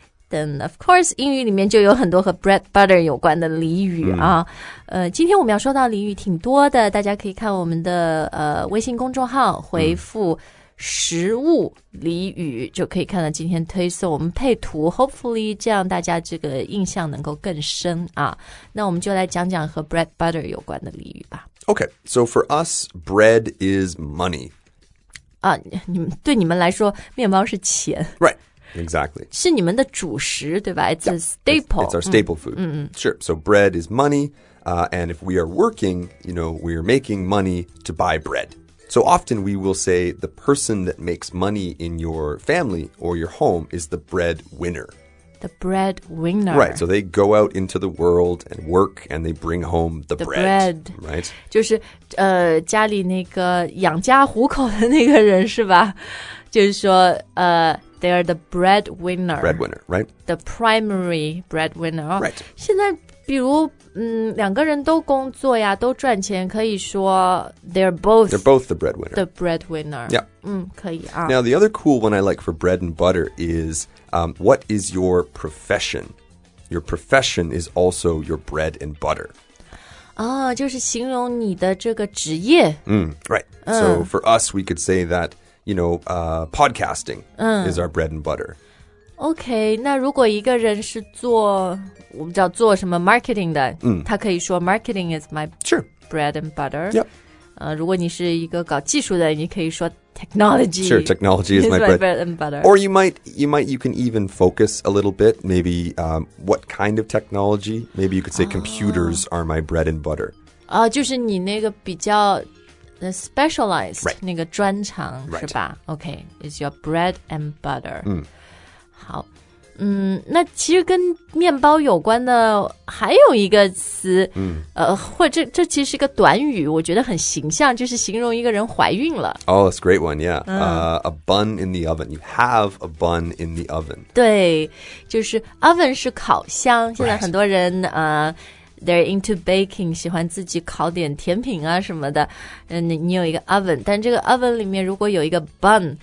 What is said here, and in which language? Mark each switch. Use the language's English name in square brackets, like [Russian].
[English] Then of course [Chinese] 英语里面就有很多和 bread butter 有关的俚语啊、今天我们要说到俚语挺多的大家可以看我们的微信公众号回复、食物俚语就可以看到今天推送我们配图 [English] Hopefully [Chinese] 这样大家这个印象能够更深啊。那我们就来讲讲和 bread butter 有关的俚语吧 [English] Okay, so for us, bread is money [Chinese] 啊你们，对你们来说面包是钱 [English] Right, exactly [Chinese] 是你们的主食对吧 [English] It's yeah, a staple it's our staple food Sure, so bread is money and if we are working, you know, we are making money to buy breadSo often we will say the person that makes money in your family or your home is the breadwinner. The breadwinner. Right, so they go out into the world and work and they bring home the bread. The bread. Right. [Chinese] 就是家里那个养家糊口的那个人是吧就是说 [English] they are the breadwinner. Breadwinner, right. The primary breadwinner. Right. [Chinese] 现在比如两个人都工作呀都赚钱可以说 [English] they're both the breadwinner. The breadwinner. Yeah. [Chinese] 可以啊。 [English] Now, the other cool one I like for bread and butter is, what is your profession? Your profession is also your bread and butter. [Chinese] 就是形容你的这个职业。 [English] Right. So, for us, we could say that, you know, podcasting is our bread and butter. [Chinese] Okay, 那如果一个人是做我们叫做什么 marketing 的、他可以说 [English] marketing is my、 sure. bread and butter. Yep. [Chinese] 如果你是一个搞技术的你可以说 technology. [English] Sure, technology is my bread. bread and butter. Or you can even focus a little bit, maybe、what kind of technology. Maybe you could say computers are my bread and butter. [Chinese] 就是你那个比较 specialized、 [English] right. [Chinese] 那个专长、 [English] right. [Chinese] 是吧 [English] Okay, it's your bread and butter.、 Mm. [Chinese] 好那其实跟面包有关的还有一个词、或者 这其实是一个短语我觉得很形象就是形容一个人怀孕了 [English] Oh, it's a great one, yeah、a bun in the oven You have a bun in the oven [Chinese] 对就是 oven 是烤箱现在很多人、 [English] right. They're into baking [Chinese] 喜欢自己烤点甜品啊什么的、你有一个 oven 但这个 oven 里面如果有一个 bun、